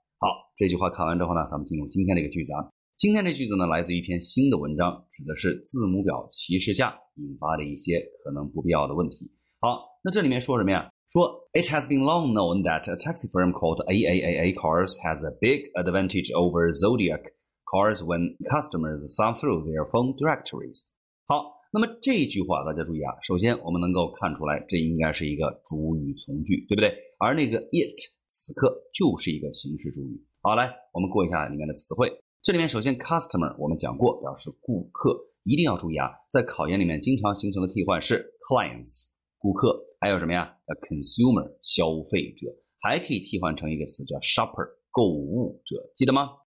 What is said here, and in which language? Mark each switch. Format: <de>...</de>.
<zh>好，这句话看完之后呢，咱们进入今天这个句子啊。今天这句子呢，来自于一篇新的文章，指的是字母表歧视下引发的一些可能不必要的问题。好，那这里面说什么呀？说</zh> <en>It has been long known that a taxi firm called AAAA Cars has a big advantage over Zodiac Cars when customers thumb through their phone directories。</en> <zh>好，那么这句话大家注意啊，首先我们能够看出来，这应该是一个主语从句，对不对？而那个 it 此刻就是一个形式主语。好，来我们过一下里面的词汇。这里面首先 customer 我们讲过表示顾客，一定要注意啊，在考研里面经常形成的替换是 clients 顾客，还有什么呀 consumer 消费者，还可以替换成一个词叫 shopper 购物者，记得吗？</zh>